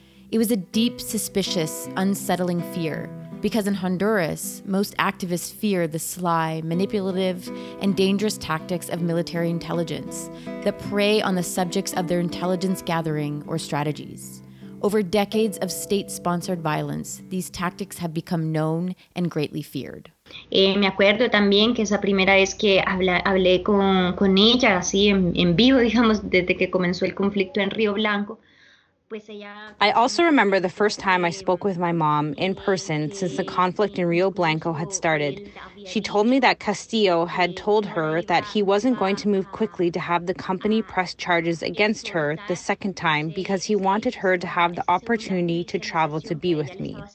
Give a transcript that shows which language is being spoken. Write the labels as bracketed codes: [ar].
[en] It was a deep, suspicious, unsettling fear, because in Honduras, most activists fear the sly, manipulative, and dangerous tactics of military intelligence that prey on the subjects of their intelligence gathering or strategies. Over decades of state-sponsored violence, these tactics have become known and greatly feared. [es] Me acuerdo también que esa primera vez que hablé con ella, así en vivo, digamos, desde que comenzó el conflicto en Río Blanco, pues ella... [en] I also remember the first time I spoke with my mom in person since the conflict in Río Blanco had started. She told me that Castillo had told her that he wasn't going to move quickly to have the company press charges against her the second time because he wanted her to have the opportunity to travel to be with me.